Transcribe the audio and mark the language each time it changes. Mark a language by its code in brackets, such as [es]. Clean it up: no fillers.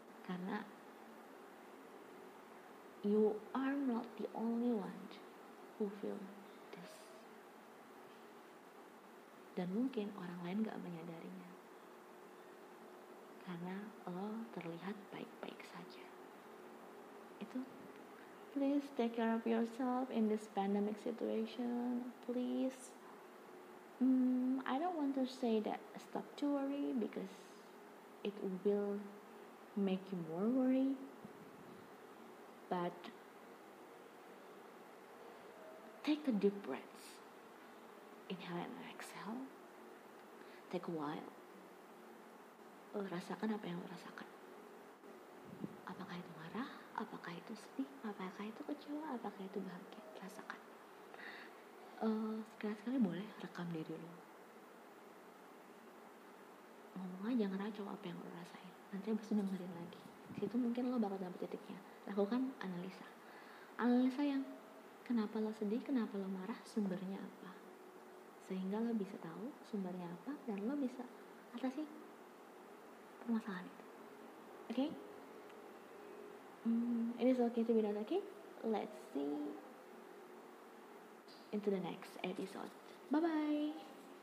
[id] Karena [en] you are not the only one who feel this. [id] Dan mungkin orang lain gak menyadarinya karena lo terlihat baik-baik saja. Itu. [en] Please take care of yourself in this pandemic situation. Please. I don't want to say that stop to worry, because it will make you more worry. But take a deep breath. Inhale and exhale. Take a while. [id] Lo rasakan apa yang lo rasakan. Apakah itu marah? Apakah itu sedih? Apakah itu kecewa? Apakah itu bahagia? Rasakan. Sekali-sekali boleh rekam diri lo. Ngomong aja, ngeracau apa yang lo rasain. Nanti abis itu dengerin lagi. Situ mungkin lo bakal dapet titiknya. Lakukan analisa. Analisa yang kenapa lo sedih, kenapa lo marah, sumbernya apa. Sehingga lo bisa tahu sumbernya apa dan lo bisa atasi permasalahan itu. Oke? Okay? [en] It is okay to be not okay. Let's see into the next episode. Bye-bye.